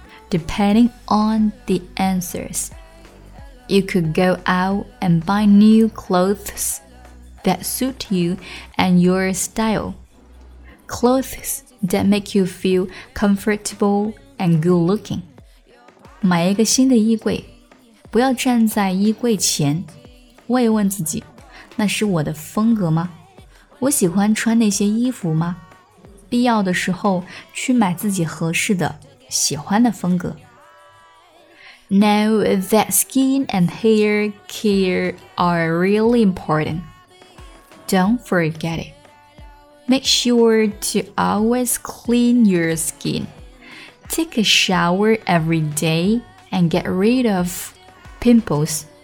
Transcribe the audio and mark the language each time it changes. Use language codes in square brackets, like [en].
[en] Depending on the answers, you could go out and buy new clothes that suit you and your style. Clothes that make you feel comfortable and good looking. [zh] 买一个新的衣柜，不要站在衣柜前，问一问自己，那是我的风格吗？我喜欢穿那些衣服吗？必要的时候去买自己合适的喜欢的风格。 [en] Know that skin and hair care are really important. Don't forget it. Make sure to always clean your skin. Take a shower every day and get rid of pimples.